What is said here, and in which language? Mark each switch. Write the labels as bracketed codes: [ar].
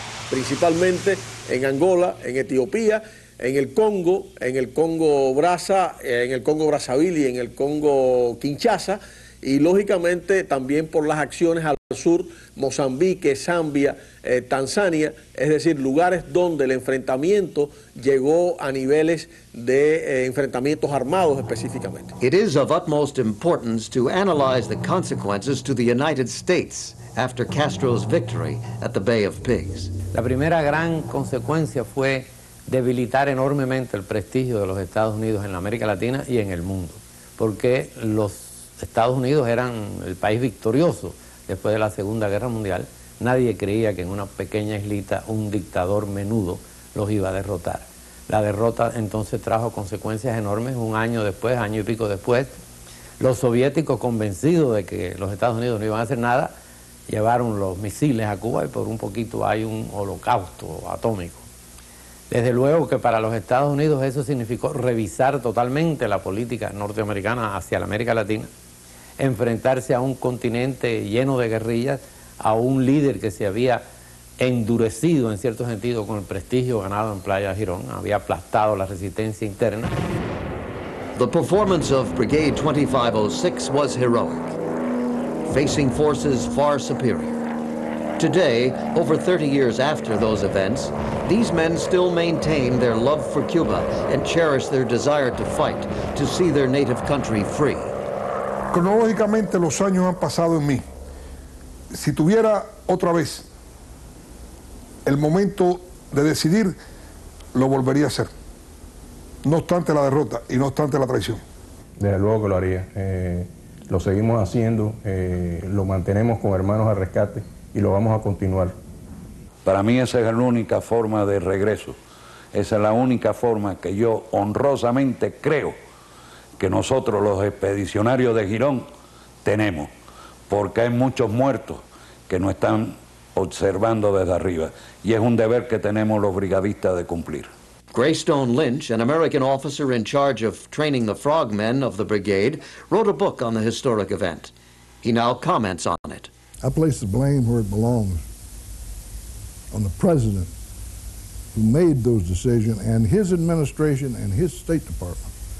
[es] Principalmente en Angola, en Etiopía, en el Congo Brazza, en el Congo Brazzaville y en el Congo Kinshasa, y lógicamente también por las acciones al sur, Mozambique, Zambia, Tanzania, es decir, lugares donde el enfrentamiento llegó a niveles de enfrentamientos armados específicamente. [en] It is of utmost importance to analyze the consequences to the United States after Castro's victory at the Bay of Pigs. [es] La primera gran consecuencia fue debilitar enormemente el prestigio de los Estados Unidos en la América Latina y en el mundo, porque los Estados Unidos eran el país victorioso después de la Segunda Guerra Mundial. Nadie creía que en una pequeña islita un dictador menudo los iba a derrotar. La derrota entonces trajo consecuencias enormes. Un año después, año y pico después, los soviéticos, convencidos de que los Estados Unidos no iban a hacer nada, llevaron los misiles a Cuba y por un poquito hay un holocausto atómico. Desde luego que para los Estados Unidos eso significó revisar totalmente la política norteamericana hacia la América Latina, enfrentarse a un continente lleno de guerrillas, a un líder que se había endurecido en cierto sentido con el prestigio ganado en Playa Girón, había aplastado la resistencia interna. [en] The performance of Brigade 2506 was heroic, facing forces far superior. Today, over 30 years after those events, these men still maintain their love for Cuba and cherish their desire to fight to see their native country free. [es] Cronológicamente, los años han pasado en mí. Si tuviera otra vez el momento de decidir, lo volvería a hacer. No obstante la derrota y no obstante la traición. Desde luego que lo haría. Lo seguimos haciendo, lo mantenemos con Hermanos al Rescate. Y lo vamos a continuar. Para mí esa es la única forma de regreso. Esa es la única forma que yo honrosamente creo que nosotros los expedicionarios de Girón tenemos. Porque hay muchos muertos que nos están observando desde arriba. Y es un deber que tenemos los brigadistas de cumplir. [en] Greystone Lynch, an American officer in charge of training the frogmen of the brigade, wrote a book on the historic event. He now comments on it. I place the blame where it belongs, on the president who made those decisions and his administration and his State Department.